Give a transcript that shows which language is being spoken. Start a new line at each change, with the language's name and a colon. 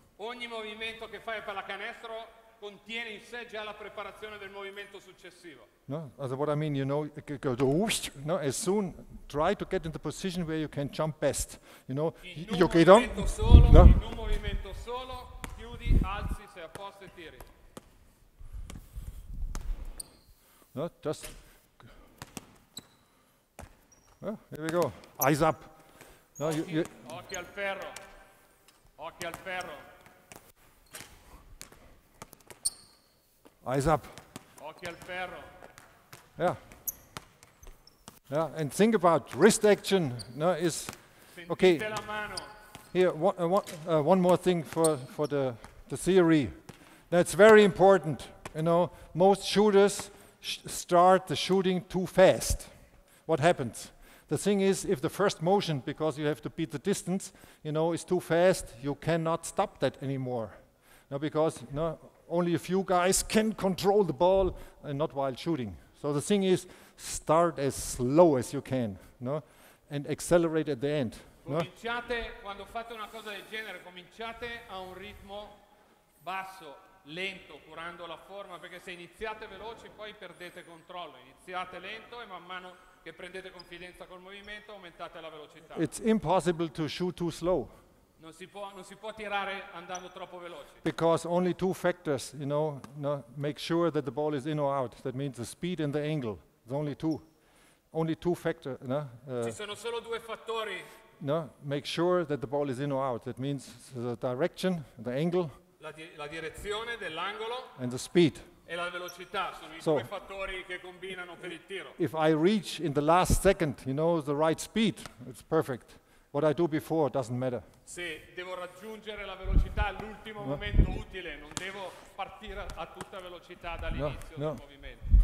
Italian: Ogni movimento che fai a pallacanestro contiene in sé già la preparazione del movimento successivo.
English: No, so what I mean, you know, it goes whoosh, no, as soon try to get in the position where you can jump best. You know, in you get on. Solo, no?
Italian: In un movimento solo, chiudi, alzi, sei a posto e tiri.
English: No, just. Well, here we go. Eyes up.
Italian: No, you. Occhi al ferro. Occhi al ferro.
English: Eyes up.
Italian: Occhi al ferro.
English: Yeah. Yeah, and think about wrist action. No, is okay.
Italian: Sentite la mano.
English: Here, one more thing for the theory. That's very important. You know, most shooters start the shooting too fast. What happens? The thing is, if the first motion, because you have to beat the distance, you know, is too fast, you cannot stop that anymore. No, because no. Only a few guys can control the ball and not while shooting. So the thing is, start as slow as you can, no? And accelerate at the end.
Italian: Cominciate, no? Quando fate una cosa del genere, cominciate a un ritmo basso, lento, curando la forma, perché se iniziate veloci poi perdete controllo. Iniziate lento e man mano che prendete confidenza col movimento aumentate la velocità.
English: It's impossible to shoot too slow.
Italian: Non si può tirare andando troppo veloce.
English: Because only two factors, you know, no, make sure that the ball is in or out. That means the speed and the angle. There's only two factors. No,
Italian: ci sono solo due fattori.
English: No, make sure that the ball is in or out. That means the direction, the angle.
Italian: La direzione dell'angolo.
English: And the speed.
Italian: E la velocità sono i due fattori che combinano per il tiro.
English: If I reach in the last second, you know, the right speed, it's perfect. What I do before doesn't matter.
Italian: Se devo raggiungere la velocità all'ultimo momento utile, non devo partire a tutta velocità dall'inizio del movimento.